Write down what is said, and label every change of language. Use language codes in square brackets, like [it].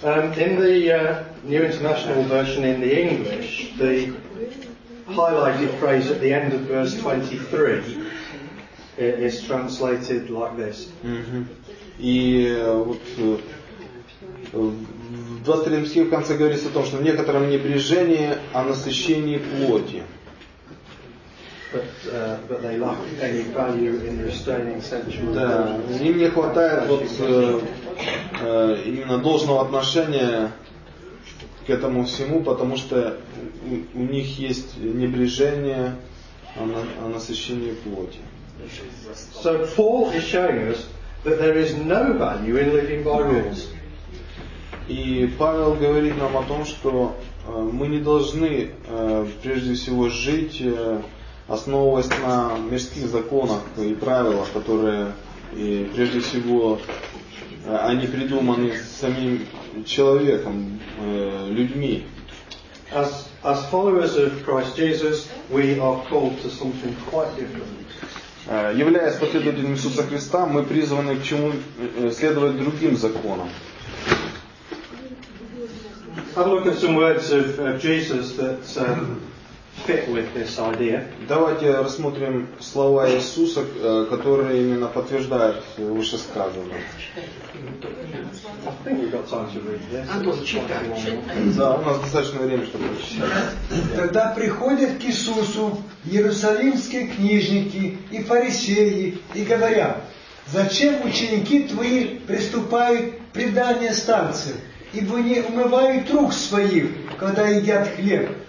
[en] In the New International Version in the English, the highlighted phrase at the end of verse 23 is translated like this. [ru] И вот в 23 стихе в конце говорится о том, что в некотором небрежении о насыщении плоти. [en] But they lack any value in restraining sensual pleasures. [ru] Да, им не хватает вот именно должного отношения к этому всему, потому что у них есть небрежение о насыщении плоти. [en] So Paul is showing us that there is no value in living by rules. [ru] И Павел говорит нам о том, что мы не должны прежде всего жить основываясь на мирских законах и правилах, которые и прежде всего они придуманы самим человеком, людьми. [en] As followers of Christ Jesus, we are called to something quite different. [ru] Являясь последователями Иисуса Христа, мы призваны к чему? Следовать другим законам. [en] Have a look at some words of Jesus that fit with this idea. [ru] Давайте рассмотрим слова Иисуса, которые именно подтверждают вышесказанное. [en] I think we've got time to read this. [ru] Антон, читай. Да, у нас достаточно времени, чтобы прочитать. Тогда приходят к Иисусу иерусалимские книжники и фарисеи и говорят: «Зачем ученики твои приступают к преданию старцев? Ибо не умывают рук своих, когда едят хлеб».